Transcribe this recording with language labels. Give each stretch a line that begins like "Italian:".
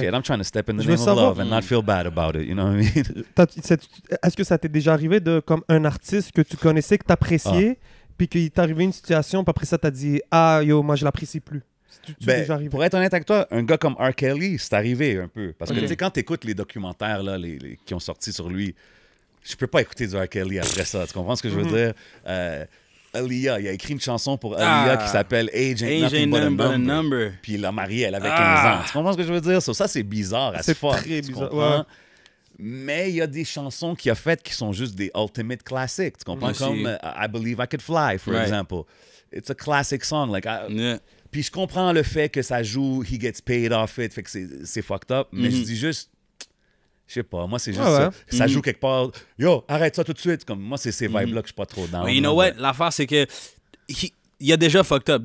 English: shit, I'm trying to step in the name of love and not feel bad about it, you know what I mean?
French: Est-ce que ça t'est déjà arrivé de comme un artiste que tu connaissais, que t'appréciais, puis qu'il t'est arrivé une situation, puis après ça t'as dit, ah yo, moi je l'apprécie plus? Pour être honnête avec toi, un gars comme R. Kelly, c'est arrivé un peu. Parce que tu sais, quand t'écoutes les documentaires là, les qui ont sorti sur lui, je peux pas écouter du R. Kelly après ça. Tu comprends ce que je veux dire? Aaliyah, il a écrit une chanson pour Aaliyah qui s'appelle Age Ain't Nothing But a Number. Puis il l'a mariée, elle avait 15 ans. Tu comprends ce que je veux dire? Ça, c'est bizarre. C'est fort, très bizarre. Mais il y a des chansons qu'il a faites qui sont juste des ultimate classics. Tu comprends?
English: Comme I Believe I Could Fly, for example. It's a classic song.
French: Puis je comprends le fait que ça joue He Gets Paid Off It, fait que c'est fucked up. Mm-hmm. Mais je dis juste... Je sais pas, moi c'est juste ça. Ça joue quelque part. Yo, arrête ça tout de suite. Comme moi, c'est ces vibes-là que je suis pas trop dans. Mais
English: you know what?
French: L'affaire, c'est que. Il a déjà fucked up.